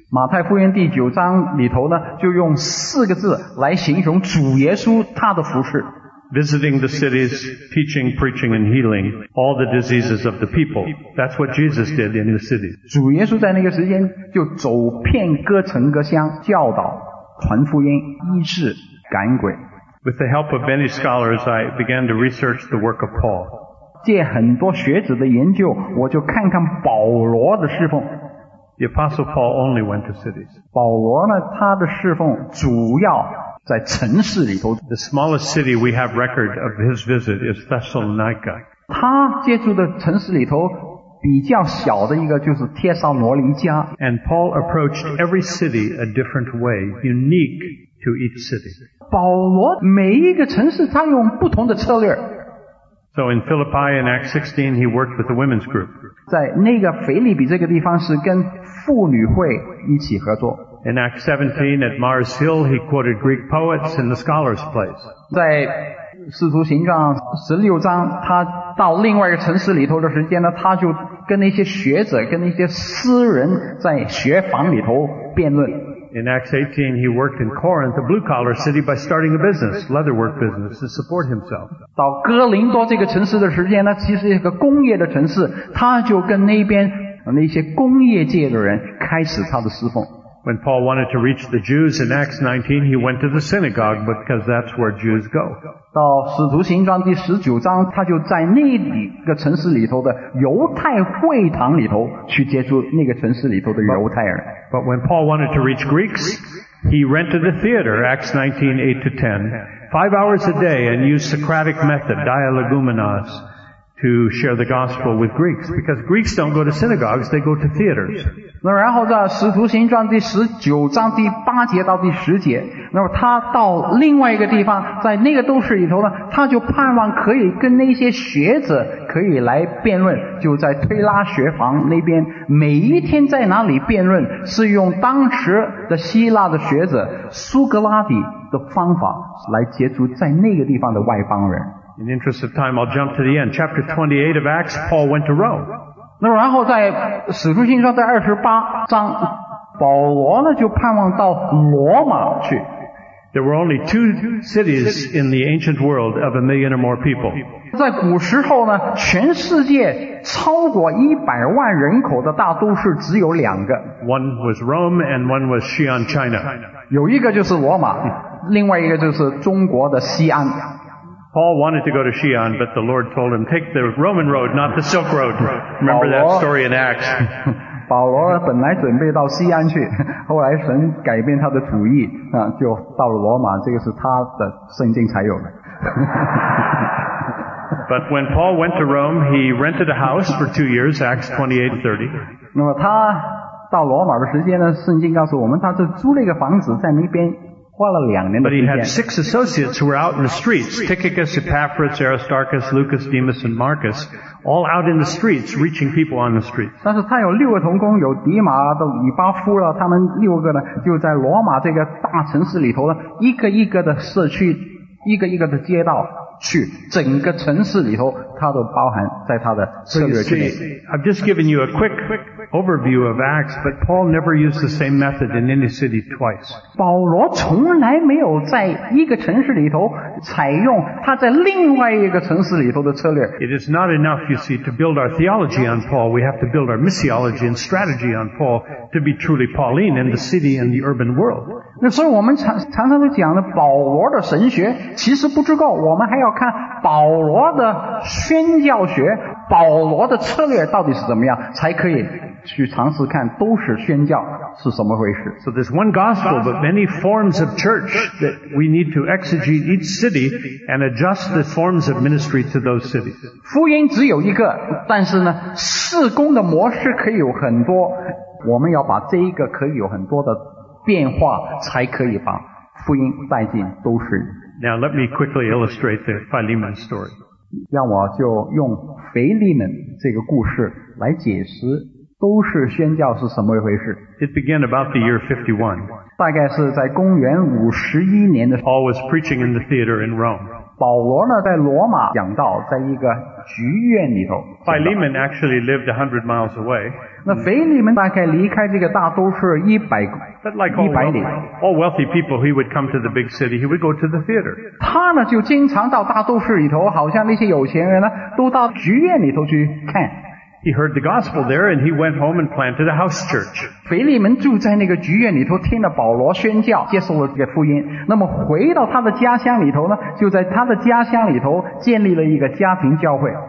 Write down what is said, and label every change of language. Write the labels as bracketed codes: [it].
[zh] 马太福音第九章里头呢就用四个字来形容主耶稣他的服事。 [en] Visiting the cities, teaching, preaching, and healing all the diseases of the people. That's what Jesus did in the city. [zh] 主耶稣在那个时间就走遍各城各乡教导传福音医治赶鬼。 [en] With the help of many scholars, I began to research the work of Paul. [zh] 借很多学者的研究我就看看保罗的侍奉。 [en] The Apostle Paul only went to cities. [zh] 保罗呢他的侍奉主要在城市里头。 [en] The smallest city we have record of his visit is Thessalonica. [zh] 他接触的城市里头比较小的一个就是帖撒罗尼迦。 [en] And Paul approached every city a different way, unique to each city. [zh] 保罗每一个城市他用不同的策略。 [en] So in Philippi in Acts 16, he worked with the women's group. [zh] 在那个腓立比这个地方是跟妇女会一起合作。 [en] In Acts 17, at Mars Hill, he quoted Greek poets in the scholar's place. [zh] 在使徒行传16章，他到另外一个城市里头的时间呢，他就跟那些学者，跟那些诗人在学房里头辩论。 [en] In Acts 18, he worked in Corinth, a blue-collar city, by starting a business, leatherwork business, to support himself. [zh] 到哥林多这个城市的时间呢，其实是一个工业的城市，他就跟那边那些工业界的人开始他的侍奉。 [en] When Paul wanted to reach the Jews in Acts 19, he went to the synagogue because that's where Jews go. [zh] 到使徒行传第十九章，他就在那一个城市里头的犹太会堂里头去接触那个城市里头的犹太人。 [en] But when Paul wanted to reach Greeks, he rented a theater, Acts 19:8-10, 5 hours a day and used Socratic method, dialogumenos, to share the gospel with Greeks, because Greeks don't go to synagogues, they go to theaters. [zh] 那然后在使徒行传第十九章第八节到第十节，那么他到另外一个地方，在那个都市里头呢，他就盼望可以跟那些学者可以来辩论，就在推拉学房那边，每一天在哪里辩论，是用当时的希腊的学者苏格拉底的方法来接触在那个地方的外邦人。 [en] In the interest of time, I'll jump to the end. Chapter 28 of Acts, Paul went to Rome. [zh] 那然后在使徒行传第28章，保罗呢就盼望到罗马去。 [en] There were only two cities in the ancient world of 1 million or more people. [zh] 在古时候呢，全世界超过100万人口的大都市只有两个。 [en] One was Rome and one was Xi'an, China. [zh] 有一个就是罗马，另外一个就是中国的西安。 [en] Paul wanted to go to Xi'an, but the Lord told him, take the Roman road, not the Silk Road. Remember that story in Acts. [zh] 保罗本来准备到西安去，后来神改变他的主意，就到了罗马，这个是他的圣经才有的。 [en] But when Paul went to Rome, he rented a house for 2 years, Acts 28:30. [zh] 那么他到罗马的时间呢，圣经告诉我们，他是租了一个房子在那边。 [en] But he had six associates who were out in the streets, Tychicus, Epaphras, Aristarchus, Lucas, Demas, and Marcus, all out in the streets, reaching people on the streets. [zh] 但是他有六个同工，有迪马、以巴夫了，他们六个呢，就在罗马这个大城市里头呢，一个一个的社区，一个一个的街道去整个城市里头它都包含在它的策略之内。 [en] I've just given you a quick overview of Acts, but Paul never used the same method in any city twice. [zh] 保罗从来没有在一个城市里头采用他在另外一个城市里头的策略。 [en] It is not enough, you see, to build our theology on Paul. We have to build our missiology and strategy on Paul to be truly Pauline in the city and the urban world. [zh] 那所以我们 常常都讲的保罗的神学其实不足够，我们还要看保罗的宣教学，保罗的策略到底是怎么样，才可以去尝试看都是宣教是什么回事。 [en] So there's one gospel, but many forms of church that we need to exegete each city and adjust the forms of ministry to those cities. [zh] 福音只有一个，但是呢，事工的模式可以有很多，我们要把这一个可以有很多的变化，才可以把福音带进都市。 [en] Now let me quickly illustrate the Philemon story. [zh] 让我就用腓利门这个故事来解释都市宣教是什么一回事。 [en] It began about the year 51. [zh] 大概是在公元51年的时候， [en] Paul was preaching in the theater in Rome. [zh] 保罗呢在罗马讲道，在一个剧院里头。 [en] Philemon actually lived 100 miles away. [zh] 那腓利门大概离开这个大都市100里。 [en] All wealthy people, he would come to the big city, he would go to the theater. [zh] 他呢就经常到大都市里头，好像那些有钱人呢都到剧院里头去看。 [en] He heard the gospel there and he went home and planted a house church. [zh] 腓利门住在那个剧院里头，听了保罗宣教，接受了这个福音。那么回到他的家乡里头呢，就在他的家乡里头建立了一个家庭教会。